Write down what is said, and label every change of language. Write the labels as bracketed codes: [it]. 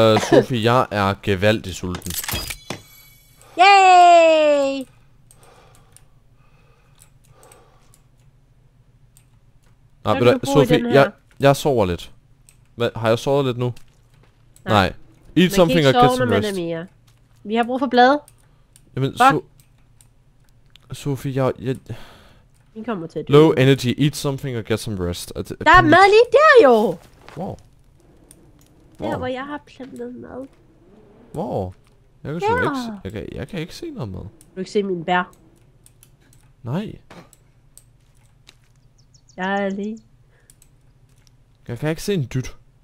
[da] Sophie, jeg er gevaldig sulten. Yay! Nej, men Sophie, jeg sover lidt. Hvad, har jeg sovet lidt nu? Nej. [en] Eat something or get some rest. [da] Vi har brug for blade. Jamen, Sophie, jeg... Vi kommer til at dø. [en] Low energy, eat something or get some rest. [da] Der er mad lige der jo! Wow. Der hvor jeg har plantet mad. Wow. Jeg kan sgu ikke se... Jeg kan ikke se noget mad. Kan du ikke se mine bær? Nej. Jeg er lige... Jeg kan ikke se en dyt.